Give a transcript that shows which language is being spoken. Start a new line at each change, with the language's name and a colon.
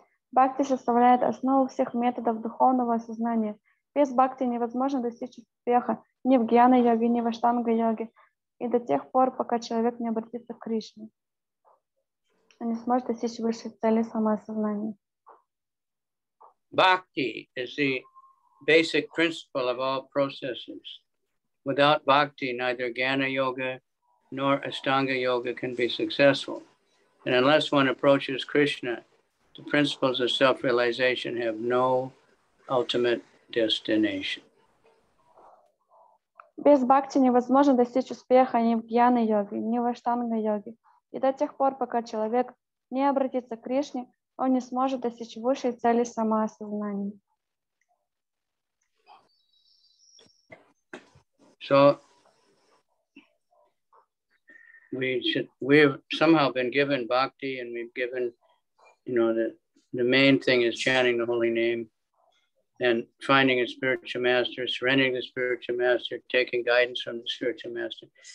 Russian: Бхакти составляет основу всех методов духовного сознания. Без бхакти невозможно достичь успеха ни в гьяна-йоге, ни в аштанга-йоге. И до тех пор, пока человек не обратится к Кришне, он не сможет достичь высшей цели самоосознания.
English: Bhakti is the basic principle of all processes. Without bhakti, neither gyana-yoga nor ashtanga-yoga can be successful. And unless one approaches Krishna, the principles of self-realization have no ultimate destination.
Russian: Без бхакти невозможно достичь успеха ни в гьяна-йоге, ни в аштанга-йоге. И до тех пор, пока человек не обратится к Кришне, он не сможет достичь высшей цели самоосознания.
English: So, we've somehow been given bhakti and we've given, you know, the main thing is chanting the holy name and finding a spiritual master, surrendering the spiritual master, taking guidance from the spiritual master.